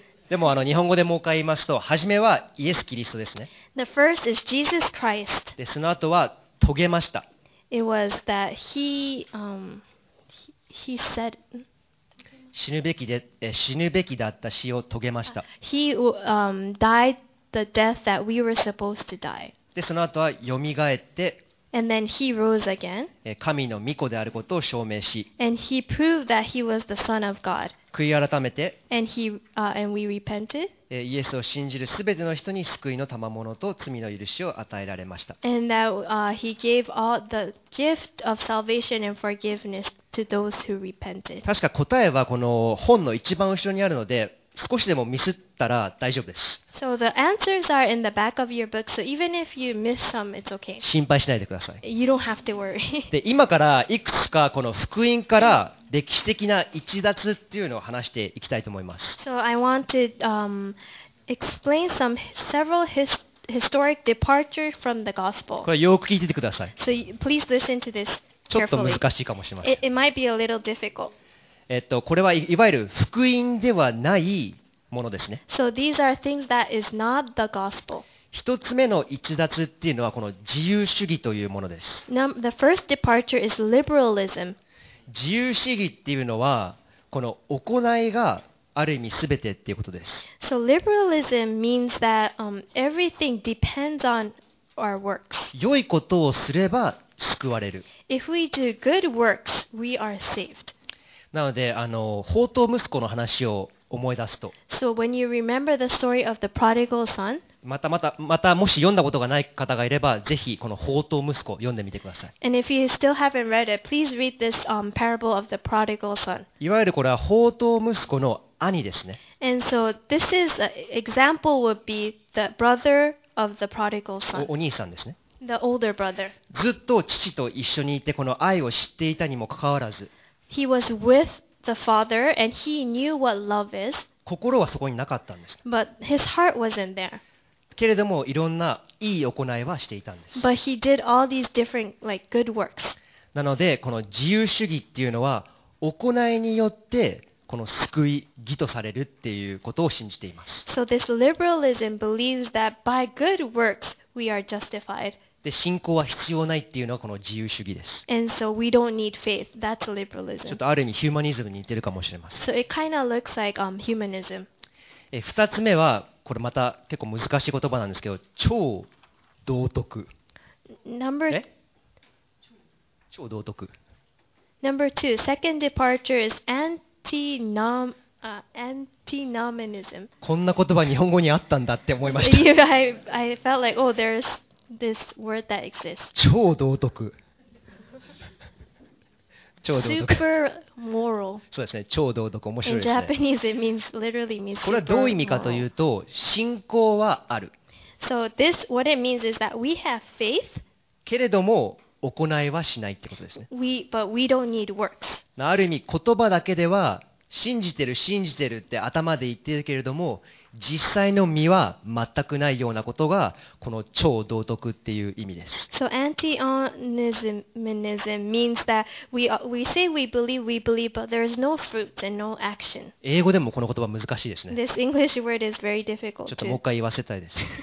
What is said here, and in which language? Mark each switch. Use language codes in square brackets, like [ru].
[ja] でも日本語でもう一回言いますと、初めはイエス・キリストですね。 [en] The first is Jesus Christ. [ja] で、その後は遂げました。 [en] It was that he said... [ja] 死ぬべきだった死を遂げました。 [en] He died the death that we were supposed to die. [ja] でその後はよみがえって [en] And then he rose again. [ja] 神の御子であることを証明し [en] And he proved that he was the Son of God. [ja] 悔い改めて [en] and he,、and we repented. [ja] イエスを信じるすべての人に救いの賜物と罪の許しを与えられました。 [en] And that, he gave all the gift of salvation and forgiveness to those who repented. [ja] 確か答えはこの本の一番後ろにあるので少しでもミスったら大丈夫です。 [en] So the answers are in the back of your book, so even if you miss some, it's okay. [ja] 心配しないでください。 [en] You don't have to worry. [ja] で、今からいくつかこの福音から歴史的な逸脱っていうのを話していきたいと思います。 [en] So I want to explain some several historic departure from the gospel. [ja] これよく聞いててください。 [en] So please listen to this carefully. [ja] ちょっと難しいかもしれません。 [en] It might be a little difficult. [ja] これはいわゆる福音ではないものですね。 [en] So these are things that is not the gospel. [ja] 一つ目の逸脱っていうのはこの自由主義というものです。 [en] The first departure is liberalism. [ja] 自由主義っていうのはこの行いがある意味すべてっていうことです。 [en] So liberalism means that everything depends on our works. [ja] 良いことをすれば救われる。 [en] If we do good works, we are saved. [ja] なので放蕩息子の話を思い出すと、 [en] so、when you remember the story of the prodigal son, [ja] またもし読んだことがない方がいればぜひこの放蕩息子を読んでみてください。 [en] And if you still haven't read it, please read this parable of the prodigal son. [ja] いわゆるこれは放蕩息子の兄ですね。 [en] And so this is an example would be the brother of the prodigal son. [ja] お兄さんですね。 [en] The older brother. [ja] ずっと父と一緒にいてこの愛を知っていたにもかかわらず。 [en] He was with the father, and he knew what love is. [ja] 心はそこになかったんです。 [en] But his heart wasn't there. [ja] けれどもいろんないい行いはしていたんです。 [en] But he did all these different, like, good works. [ja] なのでこの自由主義っていうのは行いによってこの救い義とされるっていうことを信じています。 [en] So this liberalism believes that by good works we are justified. [ja] で信仰は必要ないっていうのはこの自由主義です。 [en] And so we don't need faith. That's liberalism. [ja] ちょっとある意味ヒューマニズムに似てるかもしれません。 [en] So it kind of looks like humanism. [ja] 二つ目はこれまた結構難しい言葉なんですけど、超道徳。超道徳。 [en] Number two, second departure is antinomianism. [ja] こんな言葉日本語にあったんだって思いました。 [en] I felt like, oh, there's this word that exists. [ja] 超道徳。超道徳。 [en] Super moral. [ja] そうですね、超道徳、面白いですね。 [en] In Japanese, it means literally means. [ja] これはどういう意味かというと、信仰はある。 [en] So this, what it means is that we have faith. [ja] けれども行いはしないってことですね。 [en] We, but we don't need works. [ja] ある意味言葉だけでは信じてる信じてるって頭で言ってるけれども実際の身は全くないようなことがこの超道徳っていう意味です。 [en] So antinomianism means that we say we believe but there is no fruits and no action. [ja] 英語でもこの言葉難しいですね。 [en] This English word is very difficult. [ja] ちょっともう一回言わせたいです。